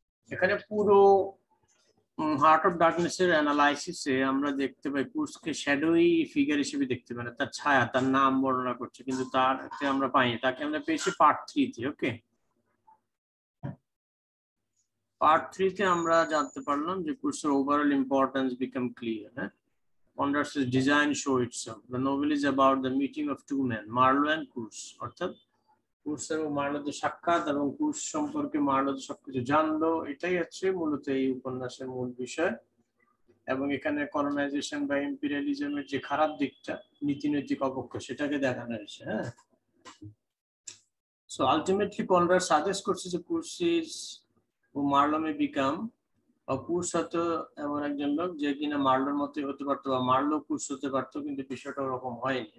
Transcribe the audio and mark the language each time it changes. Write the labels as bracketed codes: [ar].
[bn] এখানে পুরো heart of darkness এর অ্যানালাইসিস এ আমরা দেখতে পাই কুর্সকে শ্যাডোই ফিগার হিসেবে দেখতে পাই না, তার ছায়া, তার নাম বর্ণনা করছে কিন্তু তার আমরা পাইনি, তাকে আমরা পেয়েছি পার্ট থ্রিতে। ওকে পার্ট থ্রিতে আমরা জানতে পারলাম যে কুর্সের [en] Overall importance become clear. হ্যাঁ Ponders his design show itself. The novel is about the meeting of two men, Marlowe and Kurz. [bn] অর্থাৎ কুর্স এবং মার্লো তো সাক্ষাৎ, এবং কুর্স সম্পর্কে মার্লো তো সবকিছু জানলো, এটাই হচ্ছে মূলত এই উপন্যাসের মূল বিষয়। এবং এখানে কলোনাইজেশন বা ইম্পেরিয়ালিজমের যে খারাপ দিকটা, নীতিনৈতিক অপক্ষ, সেটাকে দেখানো হয়েছে। হ্যাঁ সো আলটিমেটলি কনরাড সাজেস্ট করছে যে [en] Kurtz is ও Marlow may become a Kurtz, [bn] হয়তো এমন একজন লোক যে কিনা মার্লোর মতো হতে পারতো বা মার্লো কুর্স হতে পারতো, কিন্তু বিষয়টা ওরকম হয়নি।